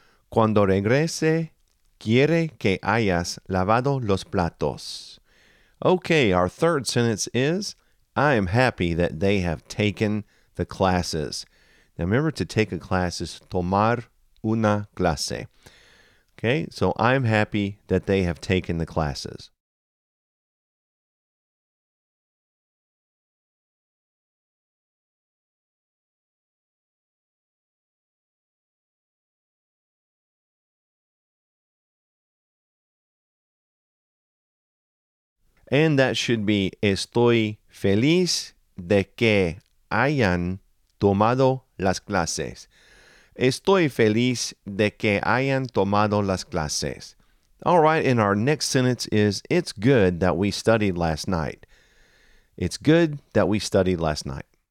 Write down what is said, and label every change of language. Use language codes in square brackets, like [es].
[es] Cuando regrese, quiere que hayas lavado los platos. [en] Okay, our third sentence is, I am happy that they have taken the classes. Now remember, to take a class is [es] tomar una clase. [en] Okay, so I am happy that they have taken the classes. And that should be, [es] estoy feliz de que hayan tomado las clases. Estoy feliz de que hayan tomado las clases. [en] All right, and our next sentence is, it's good that we studied last night. It's good that we studied last night.